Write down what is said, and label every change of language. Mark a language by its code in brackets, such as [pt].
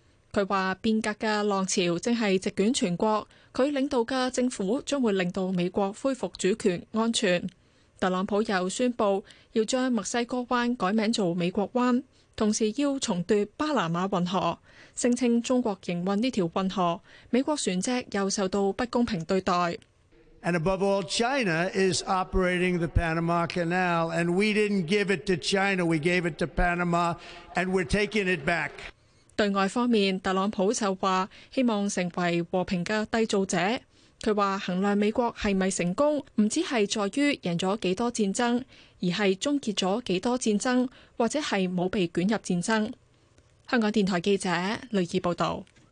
[yue] 他說變革的浪潮正是席捲全國，他領導的政府將會令到美國恢復主權安全。特朗普又宣布要將墨西哥灣改名做美國灣，同時要重奪巴拿馬運河，聲稱中國營運這條運河，美國船隻又受到不公平對待。 [en] And above all, China is operating the Panama Canal, and we didn't give it to China, we gave it to Panama, and we're taking it back. [yue] 對外方面，特朗普就話希望成為和平的締造者。他說衡量美國是否成功，不只是在於贏了多少戰爭，而是終結了多少戰爭，或者是沒有被捲入戰爭。香港電台記者雷爾報導。